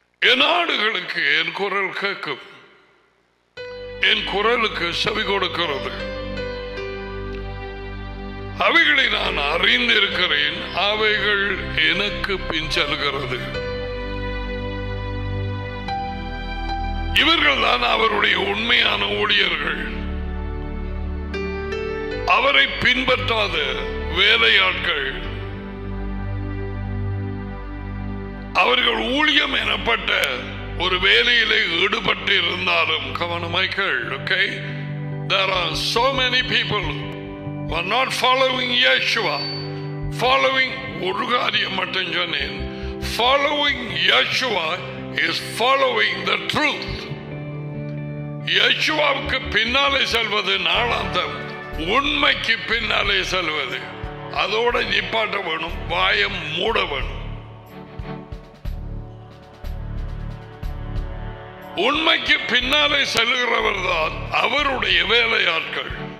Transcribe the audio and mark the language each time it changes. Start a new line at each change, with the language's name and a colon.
Tamil: என் ஆடுகளுக்கு என் குரல் கேட்கும், என் குரலுக்கு செவி கொடுக்கிறது, அவைகளை நான் அறிந்திருக்கிறேன், அவைகள் எனக்கு பின்செல்கிறது. இவர்கள் தான் அவருடைய உண்மையான ஊழியர்கள். அவரை பின்பற்றாத வேலையாட்கள், அவர்கள் ஊழியம் எனப்பட்ட ஒரு வேலையிலே ஈடுபட்டு இருந்தாலும், கவனமாய்கள்,
English: okay, there are so many people who are not following Yeshua, following
Tamil: ஒரு காரியம் மட்டும் சொன்னேன்,
English: following Yeshua is following the truth.
Tamil: Yeshuaவுக்கு பின்னாலே செல்வது நாளாந்தம், உண்மைக்கு பின்னாலே செல்வது. அதோட நிப்பாட்ட வேணும், வாயம் மூட வேணும். உண்மைக்கு பின்னாலே செல்கிறவர் தான் அவருடைய வேலையாட்கள்.